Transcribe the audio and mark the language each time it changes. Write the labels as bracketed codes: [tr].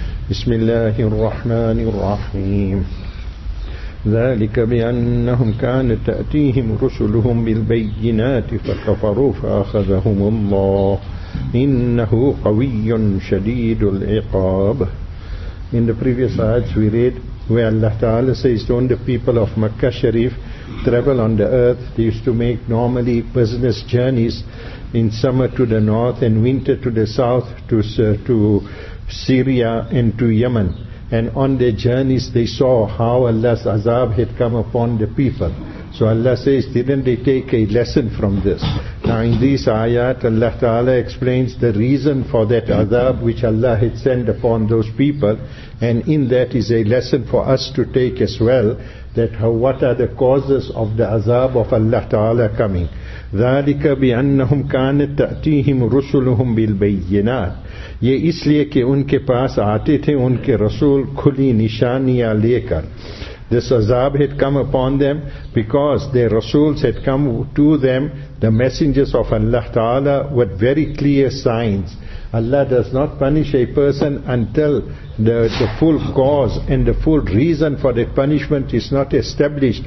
[ar] بسم الله الرحمن الرحيم. ذلك بأنهم كانت تأتيهم رسلهم بالبينات فكفروا فأخذهم الله، إنه قوي شديد العقاب. [en] In the previous ayats we read where Allah Ta'ala says, don't the people of Makkah Sharif travel on the earth? They used to make normally business journeys in summer to the north and winter to the south, to Syria and to Yemen. And on their journeys they saw how Allah's azab had come upon the people. So Allah says, didn't they take a lesson from this? Now in this ayat, Allah Ta'ala explains the reason for that azab which Allah had sent upon those people. And in that is a lesson for us to take as well, that what are the causes of the azab of Allah Ta'ala coming. [ar] ذَلِكَ بِأَنَّهُمْ كَانَتْ تَأْتِيهِمْ رُسُلُهُمْ بِالْبَيِّنَاتِ. [ur] یہ اس لیے کہ ان کے پاس آتے تھے ان کے رسول کھلی نشانیاں لے کر. [en] This azab had come upon them because their rasuls had come to them, the messengers of Allah Ta'ala, with very clear signs. Allah does not punish a person until the full cause and the full reason for the punishment is not established.